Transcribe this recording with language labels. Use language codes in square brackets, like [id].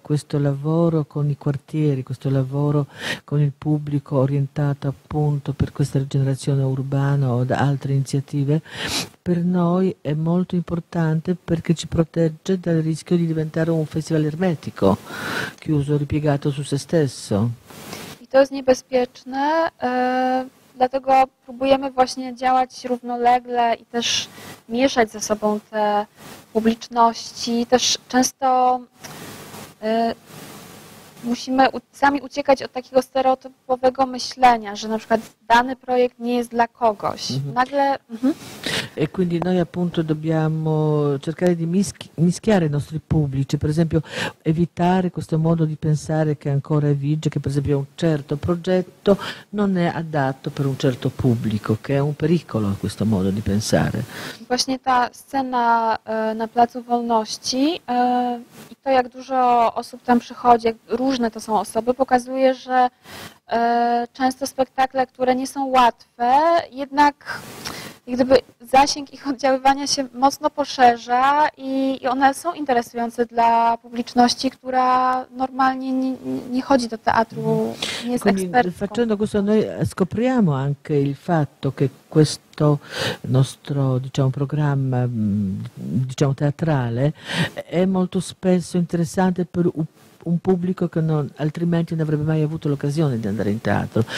[it] Questo lavoro con i quartieri, questo lavoro con il pubblico orientato appunto per questa rigenerazione urbana o da altre iniziative, per noi è molto importante perché ci protegge dal rischio di diventare un festival ermetico, chiuso, ripiegato su se stesso. [pl] To jest niebezpieczne, dlatego próbujemy właśnie działać równolegle i też mieszać ze sobą te publiczności. Też często musimy sami uciekać od takiego stereotypowego myślenia, że na przykład dany projekt nie jest dla kogoś. Nagle. [it] E quindi noi appunto dobbiamo cercare di mischiare i nostri pubblici, per esempio evitare questo modo di pensare che ancora vige, che per esempio un certo progetto non è adatto per un certo pubblico, che è un pericolo questo modo di pensare. [pl] Właśnie ta scena na Placu Wolności i to jak dużo osób tam przychodzi, jak różne to są osoby, pokazuje, że często spektakle, które nie są łatwe, jednak gdyby zasięg ich oddziaływania się mocno poszerza i one są interesujące dla publiczności, która normalnie nie chodzi do teatru, nie jest ekspertką. [it] Facendo questo noi scopriamo anche il fatto che questo nostro programma teatrale è molto spesso interessante per un pubblico che non, altrimenti non avrebbe mai avuto l'occasione di andare in teatro.